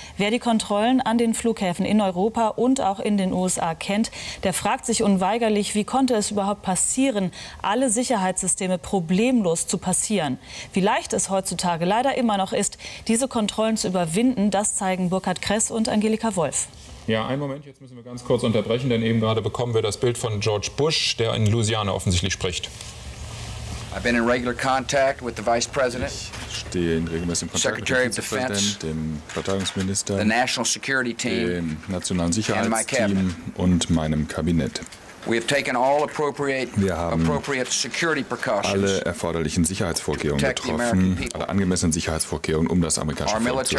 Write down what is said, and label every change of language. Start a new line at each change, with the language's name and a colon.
German: Wer die Kontrollen an den Flughäfen in Europa und auch in den USA kennt, der fragt sich unweigerlich, wie konnte es überhaupt passieren, alle Sicherheitssysteme problemlos zu passieren. Wie leicht es heutzutage leider immer noch ist, diese Kontrollen zu überwinden, das zeigen Burkhard Kress und Angelika Wolf. Ja, einen Moment, jetzt müssen wir ganz kurz unterbrechen, denn eben gerade bekommen wir das Bild von George Bush, der in Louisiana offensichtlich spricht.
English: I've been in regular contact with the Vice President,
German: ich stehe in regelmäßigem Kontakt Secretary mit dem Vizepräsidenten, dem Verteidigungsminister,
English: the National Security Team,
German: dem nationalen Sicherheitsteam und meinem Kabinett.
English: We have taken all appropriate,
German: wir haben
English: appropriate security precautions,
German: alle erforderlichen Sicherheitsvorkehrungen getroffen, alle angemessenen Sicherheitsvorkehrungen, um das amerikanische Volk zu schützen.